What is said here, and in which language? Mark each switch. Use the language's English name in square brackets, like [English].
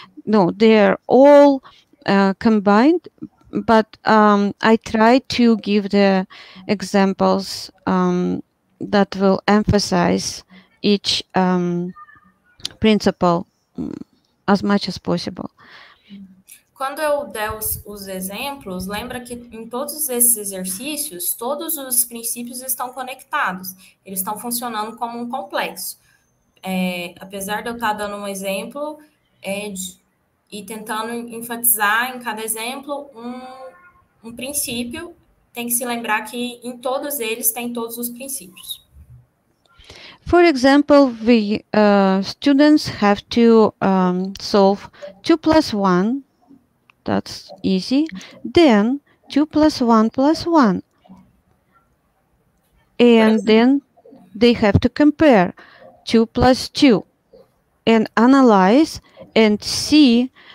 [English] No, they are all combined, but I try to give the examples that will emphasize each principle as much as possible. [Portuguese] Quando eu der os exemplos, lembra que em todos esses exercícios, todos os princípios estão conectados. Eles estão funcionando como um complexo. Apesar de eu estar dando um exemplo, e tentando enfatizar em cada exemplo um princípio, tem que se lembrar que em todos eles tem todos os princípios. [English] For example, the students have to solve 2 plus 1. That's easy. Then 2 plus 1 plus 1. And then they have to compare 2 plus 2 and analyze and see.